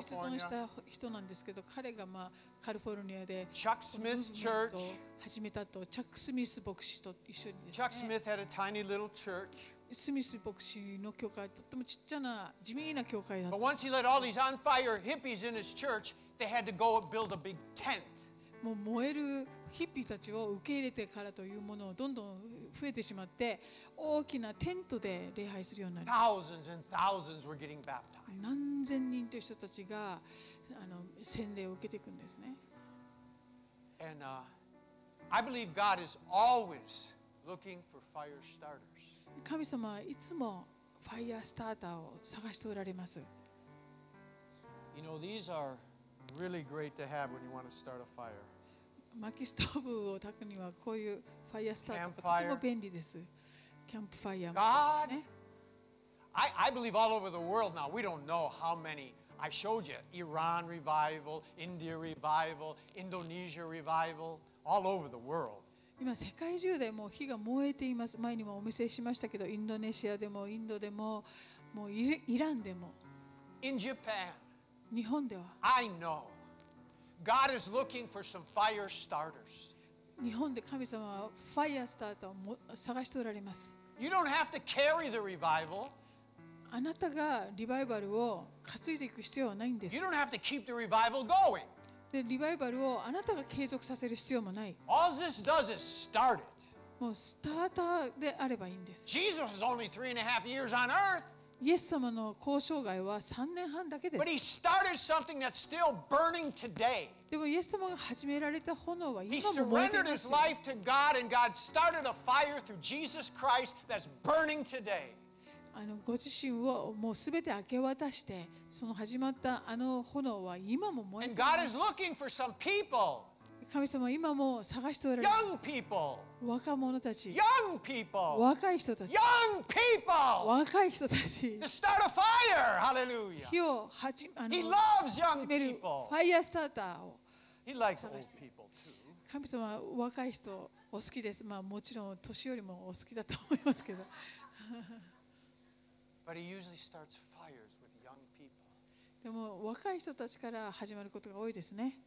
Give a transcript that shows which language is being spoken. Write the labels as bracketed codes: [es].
[ja] 実存した人なんですけど、彼がまあカリフォルニアで [en] Chuck Smith's church [ja] 始めたと、チャック・スミス牧師と一緒にですね。 [en] Chuck Smith had a tiny little church. [ja] スミス牧師の教会とってもちっちゃな地味な教会だった。 [en] But once he let all these on fire hippies in his church, they had to go build a big tent. [ja] もう燃えるヒッピーたちを受け入れてからというものをどんどん増えてしまって、大きなテントで礼拝するようになります。 [en] Thousands and thousands were getting baptized. [ja] 何千人という人たちが洗礼を受けていくんですね。 [en] And I believe God is always looking for fire starters. [ja] 神様はいつもファイアースターターを探しておられます。 [en] You know, these areReally great to have when you want to start a fire. [ja] 薪ストーブを焚くにはこういうファイアスターターとても便利です。キャンプファイヤー。 [en] God, I believe all over the world now. We don't know how many. I showed you Iran revival, India revival, Indonesia revival, all over the world. [ja] 今世界中でもう火が燃えています。前にもお見せしましたけど、インドネシアでもインドでももうイランでも。 [en] In Japan. [ja] 日本では [en] I know. God is looking for some fire starters. [ja] 日本で神様はファイアースターターを探しておられます。 [en] You don't have to carry the revival. [ja] あなたがリバイバルを担いでいく必要はないんです。 [en] You don't have to keep the revival going. [ja] で、リバイバルをあなたが継続させる必要もない。 [en] All this does is start it. [ja] もうスターターであればいいんです。 [en] Jesus is only 3.5 years on earth. [ja] イエス様の交渉外は3年半だけです。でもイエス様が始められた炎は今も燃えています。 [en] God and God started a fire through Jesus Christ that's burning today. [ja] ご自身をもう全て明け渡して、その始まったあの炎は今も燃えています。 [en] And God is looking for some people. [ja] 神様は今も探しておられます。 [en] Young people. [ja] 若者たち、 [en] Young people. [ja] 若い人たち、 [en] Young people. [ja] 若い人たち、 [en] to start a fire, hallelujah. [ja] 火を始め、 [en] He loves young people. [ja] ファイアースターターを、 [en] He likes old people too. [ja] 神様は若い人お好きです。まあもちろん年よりもお好きだと思いますけど。 [en] But he usually starts fires with young people. [ja] でも若い人たちから始まることが多いですね。